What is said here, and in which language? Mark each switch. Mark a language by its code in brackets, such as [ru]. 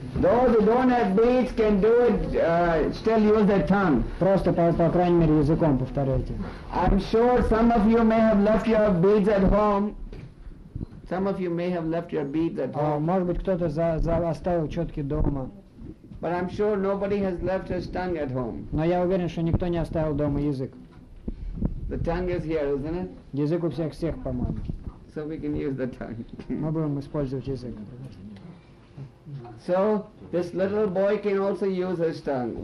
[en] Those who don't have beads can do it, still use their tongue. [ru] Просто, по крайней мере, языком повторяйте. [en] I'm sure some of you may have left your beads at home. Some of you may have left your beads at home. [ru] Может быть, кто-то оставил четки дома. [en] But I'm sure nobody has left his tongue at home. [ru] Но я уверен, что никто не оставил дома язык. [en] The tongue is here, isn't it? [ru] Язык у всех, по-моему. [en] So we can use the tongue. [ru] Мы будем использовать язык. [en] So this little boy can also use his tongue.